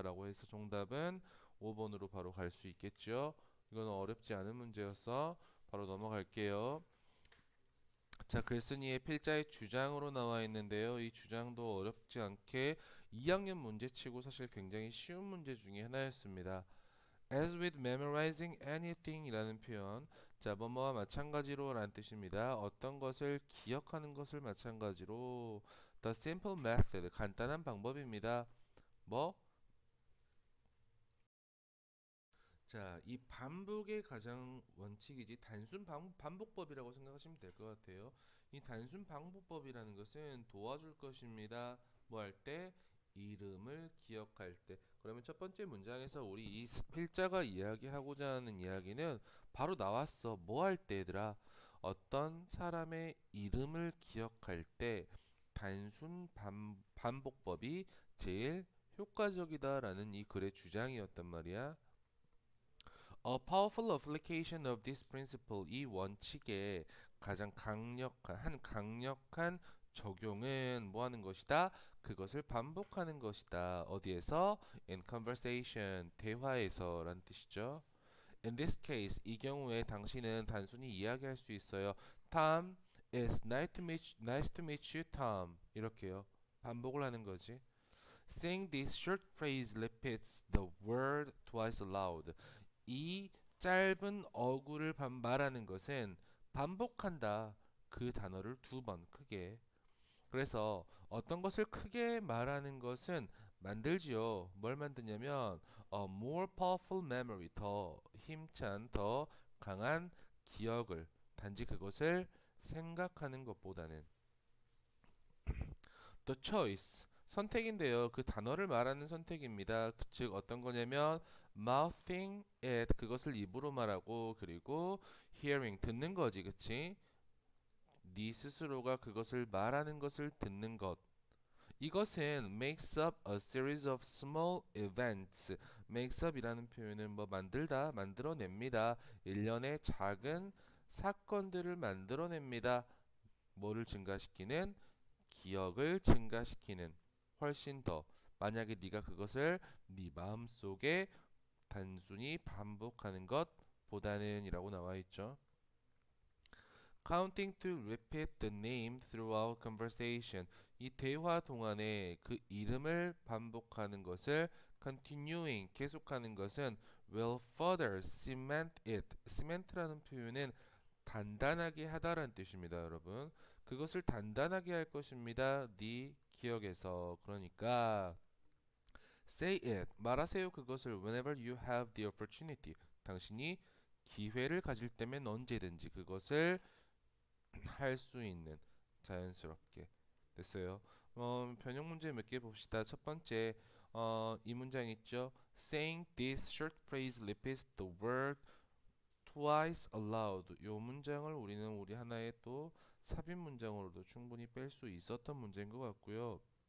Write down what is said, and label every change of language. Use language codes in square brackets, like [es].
[ko] 라고 해서 정답은 5번으로 바로 갈수 있겠죠. 이건 어렵지 않은 문제였어. 바로 넘어갈게요. 자, 글쓴이의 필자의 주장으로 나와 있는데요. 이 주장도 어렵지 않게 2학년 문제치고 사실 굉장히 쉬운 문제 중에 하나였습니다. [en] As with memorizing anything [ko] 이라는 표현. 자, 뭐뭐와 마찬가지로 라는 뜻입니다. 어떤 것을 기억하는 것을 마찬가지로. [en] The simple method, [ko] 간단한 방법입니다. 뭐? 자, 이 반복의 가장 원칙이지, 반복법이라고 생각하시면 될것 같아요. 이 단순 방법법이라는 것은 도와줄 것입니다. 뭐할 때? 이름을 기억할 때. 그러면 첫 번째 문장에서 우리 이 필자가 이야기하고자 하는 이야기는 바로 나왔어. 뭐할 때더라? 어떤 사람의 이름을 기억할 때 단순 반복법이 제일 효과적이다라는 이 글의 주장이었단 말이야. [en] A powerful application of this principle. [ko] 이 원칙에 가장 강력한 적용은 뭐 하는 것이다? 그것을 반복하는 것이다. 어디에서? [en] In conversation, [ko] 대화에서란 뜻이죠. [en] In this case, [ko] 이 경우에 당신은 단순히 이야기할 수 있어요. [en] Tom, it's nice to meet you, Tom. [ko] 이렇게요. 반복을 하는 거지. [en] Saying this short phrase repeats the word twice aloud. [ko] 이 짧은 어구를 반발하는 것은 반복한다. 그 단어를 두번 크게. 그래서 어떤 것을 크게 말하는 것은 만들지요. 뭘 만드냐면 [en] a more powerful memory, [ko] 더 힘찬, 더 강한 기억을. 단지 그것을 생각하는 것보다는. [en] The choice, [ko] 선택인데요. 그 단어를 말하는 선택입니다. 즉 어떤 거냐면 [en] mouthing it [ko] 그것을 입으로 말하고 그리고 hearing 듣는 거지, 그치? 네 스스로가 그것을 말하는 것을 듣는 것. 이것은 [en] makes up a series of small events. [ko] makes up이라는 표현은 뭐 만들다, 만들어냅니다. 일련의 작은 사건들을 만들어냅니다. 뭐를 증가시키는? 기억을 증가시키는. 훨씬 더. 만약에 네가 그것을 네 마음속에 단순히 반복하는 것보다는이라고 나와 있죠. [en] Counting to repeat the name throughout conversation. [ko] 이 대화 동안에 그 이름을 반복하는 것을 continuing, 계속하는 것은 [en] will further cement it. [ko] cement라는 표현은 단단하게 하다라는 뜻입니다, 여러분. 그것을 단단하게 할 것입니다. 네 기억에서. 그러니까 [en] say it. [ko] 말하세요, 그것을 [en] whenever you have the opportunity. [ko] 당신이 기회를 가질 때면 언제든지 그것을 할수 있는 자연스럽게 됐어요. 변형 문제 몇개 봅시다. 첫 번째, 이 문장 있죠. [en] Saying this short phrase repeats the word twice aloud. [ko] 이 문장을 우리는 우리 하나의 또 삽입 문장으로도 충분히 뺄수 있었던 문제인 것 같고요.